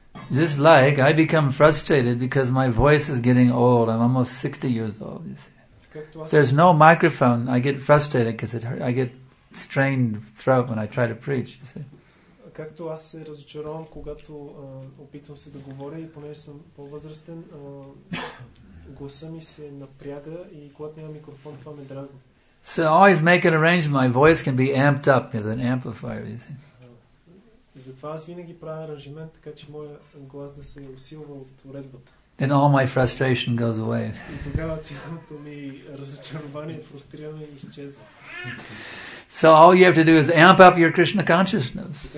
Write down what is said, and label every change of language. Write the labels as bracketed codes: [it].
[en] Just like I become frustrated because my voice is getting old. I'm almost 60 years old. You see. There's no microphone. I get frustrated because it hurts. I get strained throat when I try to preach. You see. [bg] Както аз се разочаровам, когато опитвам се да говоря и понеже съм по-възрастен, гласа ми се напряга и когато няма микрофон, това ме дразни. [en] So I always make an arrangement, my voice can be amped up with an amplifier, you see. [bg] Затова аз винаги правя аранжимент, така че моя глас да се усилва от уредбата. [en] And all my frustration goes away. [bg] И тогава цялото ми разочарование, фрустриране изчезва. [en] So all you have to do is amp up your Krishna consciousness.